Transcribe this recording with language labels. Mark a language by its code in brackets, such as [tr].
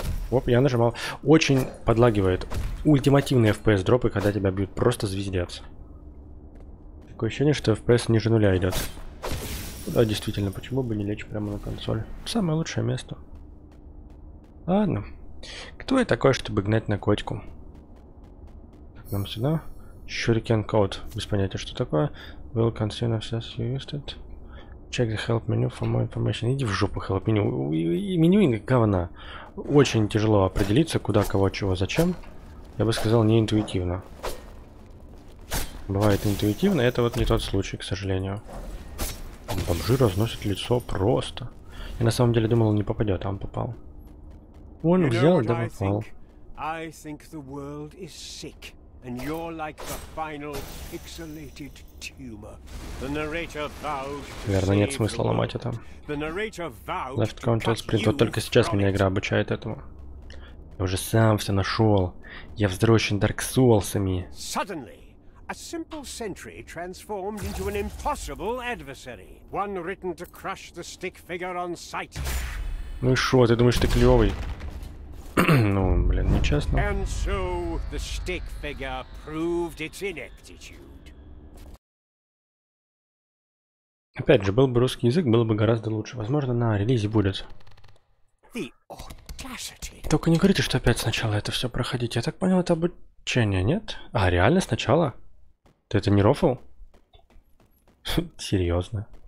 [ru] Оп, я нажимал. Очень подлагивает. Ультимативные FPS дропы, когда тебя бьют просто звездец. Такое ощущение, что FPS ниже нуля идет. Да, действительно, почему бы не лечь прямо на консоль? Самое лучшее место. Ладно. Кто я такой, чтобы гнать на котику? Так, нам сюда. Shuriken Code. Без понятия, что такое. [en] Will consume as you used it. Check the help menu for more information. [ru] Иди в жопу, help menu. И меню и говна. Очень тяжело определиться, куда, кого, чего, зачем. Я бы сказал, не интуитивно. Бывает интуитивно, это вот не тот случай, к сожалению. Бомжи разносят лицо просто. Я на самом деле думал, он не попадет, а он попал. Он взял, да попал. [en] I think the world is sick. And you're like the final pixelated tumor. The narrator vowed to [ru] верно, нет смысла ломать это. [en] The narrator vowed left control sprint. [ru] Вот только сейчас меня игра обучает этому. Я уже сам все нашел. Я вздрочен Dark Souls'ами. [en] Suddenly, a simple sentry transformed into an impossible adversary. One written to crush the stick figure on sight. [ru] Ну и шо, ты думаешь, ты клевый? Ну, блин, нечестно. [en] And so the stick figure proved its ineptitude. [ru] Опять же, был бы русский язык, было бы гораздо лучше. Возможно, на релизе будет. [en] The audacity. [ru] Только не говорите, что опять сначала это все проходить. Я так понял, это обучение, нет? А, реально сначала? Ты это не рофл? Серьезно.